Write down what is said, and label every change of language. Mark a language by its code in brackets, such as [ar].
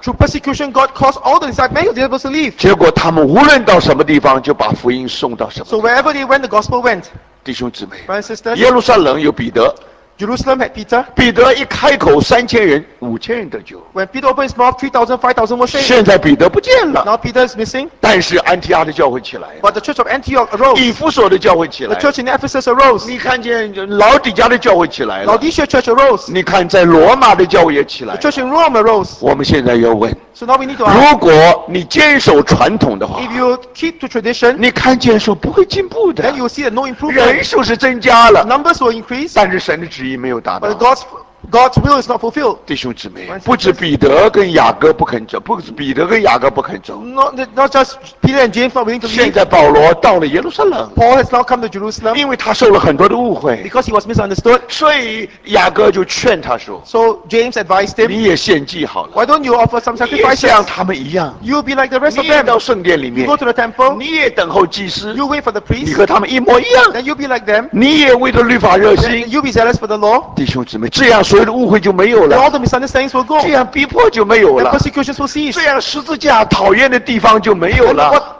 [en] Through persecution, God caused all the disciples to leave. [zh] 结果他们无论到什么地方，就把福音送到什么。 [en] So wherever they went, the gospel went. [zh] 弟兄姊妹 [en] ，Brothers and sisters, [zh] 耶路撒冷有彼得。 [en] Jerusalem had Peter. [zh] 彼得一开口，3000人、5000人得救。 [en] When Peter opened his mouth, 3,000, 5,000 were saved. [zh] 现在彼得不见了。 [en] Now Peter is missing. [zh] 但是安提阿的教会起来。 [en] But the church of Antioch arose. [zh] 以弗所的教会起来。 [en] The church in Ephesus arose. [zh] 你看见老底家的教会起来了。 [en] Laodicea church arose. [zh] 你看在罗马的教会也起来了。 [en] The church in Rome arose. [zh] 我们现在要问。 [en] So now we need to ask. [zh] 如果你坚守传统的话。 [en] If you keep to tradition. [zh] 你看见说不会进步的。 [en] Then you see that no improvement. [zh] 人数是增加了。 [en] Numbers will increase. [zh] 但是神的旨意。 [en] But God's will is not fulfilled. [zh] 弟兄姊妹，不止彼得跟雅各不肯走，不止彼得跟雅各不肯走。 [en] Not just Peter and James not willing to leave. [zh] 现在保罗到了耶路撒冷。 [en] Paul has now come to Jerusalem. [zh] 因为他受了很多的误会。 [en] Because he was misunderstood. [zh] 所以雅各就劝他说。 [en] So James advised him. [zh] 你也献祭好了。 [en] Why don't you offer some sacrifices? [zh] 你也像他们一样。 [en] You'll be like the rest of them. [zh] 你也到圣殿里面。 [en] You go to the temple. [zh] 你也等候祭司。 [en] You wait for the priest. [zh] 你和他们一模一样。 [en] Then you'll be like them. [zh] 你也为了律法热心。 [en] You'll be zealous for the law. [zh] 弟兄姊妹，这样。所有的误会就没有了。 [en] All the misunderstandings will go. [zh] 这样逼迫就没有了。 [en] The persecutions will cease. [zh] 这样十字架讨厌的地方就没有了。